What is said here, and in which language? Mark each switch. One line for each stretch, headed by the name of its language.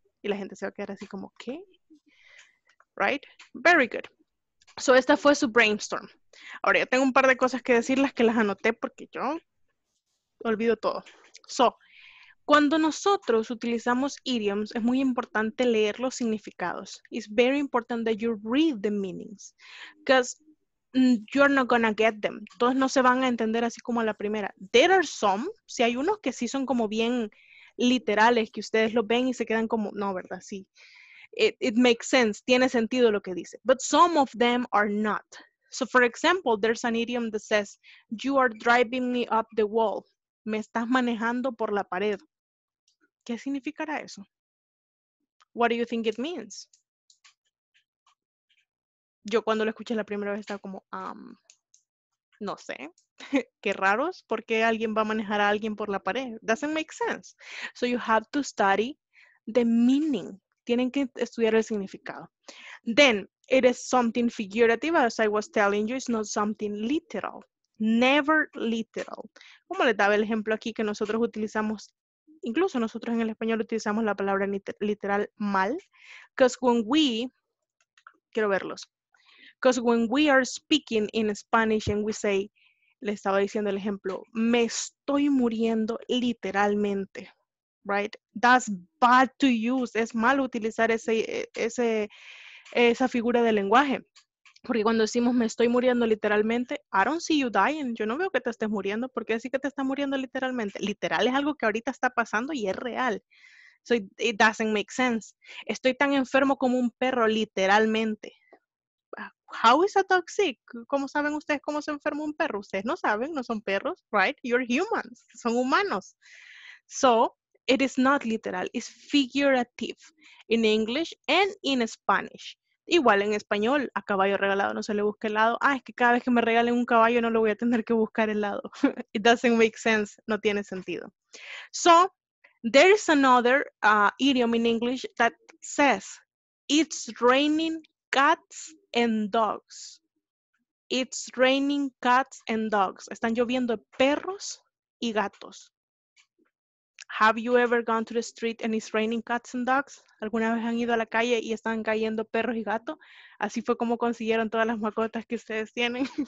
Spanish: Y la gente se va a quedar así como, ¿qué?
English: Right? Very good.
Spanish: So, esta fue su brainstorm. Ahora, yo tengo un par de cosas que decirles que las anoté porque yo olvido todo. So, cuando nosotros utilizamos idioms, es muy importante leer los significados.
English: It's very important that you read the meanings, because you're not gonna get them.
Spanish: Todos no se van a entender así como a la primera.
English: There are some,
Spanish: si hay unos que sí son como bien literales, que ustedes lo ven y se quedan como, no, ¿verdad? Sí.
English: It makes sense,
Spanish: tiene sentido lo que dice.
English: But some of them are not. So, for example, there's an idiom that says, you are driving me up the wall.
Spanish: Me estás manejando por la pared. ¿Qué significará eso?
English: What do you think it means?
Spanish: Yo cuando lo escuché la primera vez estaba como, no sé. Qué raros, ¿por qué alguien va a manejar a alguien por la pared?
English: Doesn't make sense. So you have to study the meaning.
Spanish: Tienen que estudiar el significado.
English: Then, it is something figurative, as I was telling you, it's not something literal. Never literal.
Spanish: Como les daba el ejemplo aquí que nosotros utilizamos, incluso nosotros en el español utilizamos la palabra literal mal.
English: Because when we are speaking in Spanish and we say,
Spanish: le estaba diciendo el ejemplo, me estoy muriendo literalmente.
English: Right? That's bad to use.
Spanish: Es malo utilizar esa figura de lenguaje. Porque cuando decimos me estoy muriendo literalmente,
English: I don't see you dying.
Spanish: Yo no veo que te estés muriendo. ¿Por qué decir que te estás muriendo literalmente? Literal es algo que ahorita está pasando y es real.
English: So it doesn't make sense.
Spanish: Estoy tan enfermo como un perro, literalmente.
English: How is that toxic?
Spanish: ¿Cómo saben ustedes cómo se enferma un perro? Ustedes no saben, no son perros, right?
English: You're humans,
Spanish: son humanos.
English: So, it is not literal, it's figurative in English and in Spanish.
Spanish: Igual en español, a caballo regalado no se le busca el lado. Ah, es que cada vez que me regalen un caballo no lo voy a tener que buscar el lado.
English: It doesn't make sense,
Spanish: no tiene sentido.
English: So, there is another idiom in English that says, it's raining cats and dogs. It's raining cats and dogs.
Spanish: Están lloviendo perros y gatos.
English: Have you ever gone to the street and it's raining cats and dogs?
Spanish: ¿Alguna vez han ido a la calle y están cayendo perros y gatos? Así fue como consiguieron todas las mascotas que ustedes tienen.